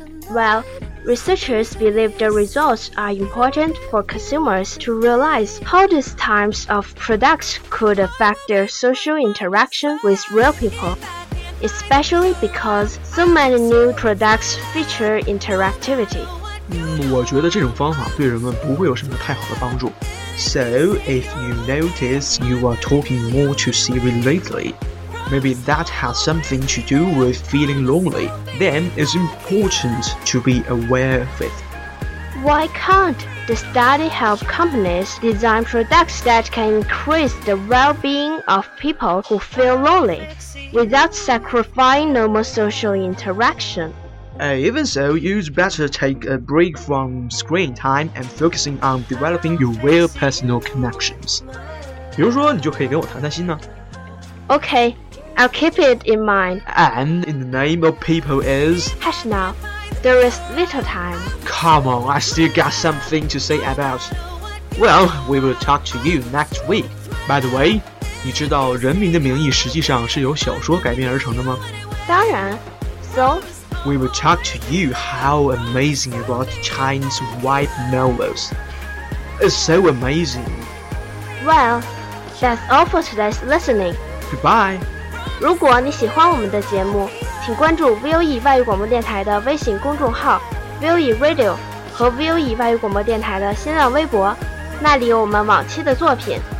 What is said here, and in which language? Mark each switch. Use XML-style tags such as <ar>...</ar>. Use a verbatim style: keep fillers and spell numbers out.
<en>Well, researchers believe the results are important for consumers to realize how these types of products could affect their social interaction with real people. Especially because so many new products feature interactivity.</en> <zh>嗯，我觉得这种方法对人们不会有什么太好的帮助。</zh> <en>So if you notice you are talking more to Siri lately, maybe that has something to do with feeling lonely. Then it's important to be aware of it. Why can't the study help companies design products that can increase the well-being of people who feel lonely? Without sacrificing normal social interaction. Uh, even so, you'd better take a break from screen time and focusing on developing your real personal connections. 比如说，你就可以跟我谈谈心呢。 Okay, I'll keep it in mind. And in the name of people is. Hush now, there is little time. Come on, I still got something to say about. Well, we will talk to you next week. By the way.</en> <zh>你知道《人民的名义》实际上是由小说改编而成的吗？当然。</zh> <en>So we will talk to you how amazing about Chinese white novels. It's so amazing. Well, that's all for today's listening. Goodbye.</en> <zh>如果你喜欢我们的节目，请关注 V O E 外语广播电台的微信公众号 V O E Radio 和 V O E 外语广播电台的新浪微博，那里有我们往期的作品。</zh>